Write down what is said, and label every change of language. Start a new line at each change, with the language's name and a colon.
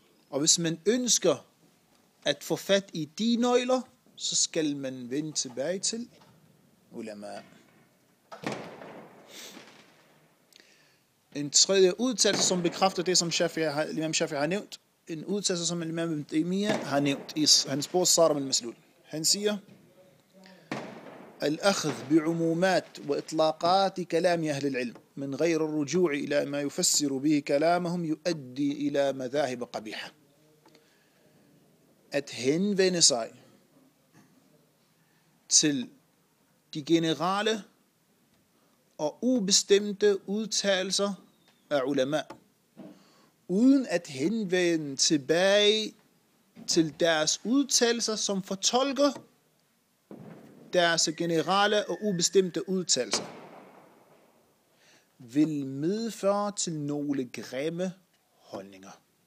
Danish: Og hvis man ønsker at få fat i de nøgler, så skal man vende tilbage til ulama. En tredje udtalelse, som bekræfter det, som imam Shafi'i har nævnt, en udtalelse, som imam Ibn Taymiyyah har nævnt i hans bog Sarah bin Maslul.
Arabic: Han siger, الأخذ بعمومات وإطلاقات كلام أهل العلم من غير الرجوع إلى ما يفسر به كلامهم يؤدي إلى مذاهب قبيحة.
Danish: At henvende sig til de generelle og ubestemte udtalelser af ulema, uden at henvende tilbage til deres udtalelser, som fortolker deres generelle og ubestemte udtalelser, vil medføre til nogle grimme holdninger.